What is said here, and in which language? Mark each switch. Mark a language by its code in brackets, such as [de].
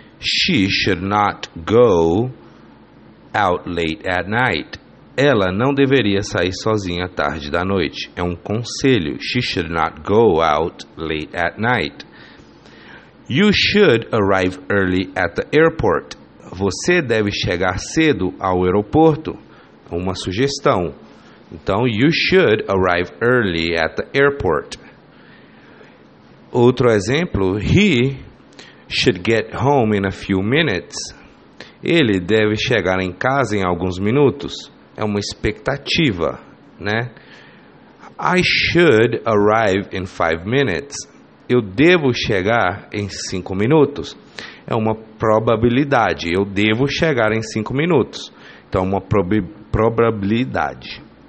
[en] She should not go out late at night. [pt] Ela não deveria sair sozinha tarde da noite. É um conselho. [en] She should not go out late at night. You should arrive early at the airport. [pt] Você deve chegar cedo ao aeroporto. Uma sugestão. Então, [en] you should arrive early at the airport. [pt] Outro exemplo. [en] He should get home in a few minutes. [pt] Ele deve chegar em casa em alguns minutos. É uma expectativa, né? [en] I should arrive in 5 minutes. [pt] Eu devo chegar em 5 minutos. É uma probabilidade. Eu devo chegar em 5 minutos. Então, é uma probabilidade.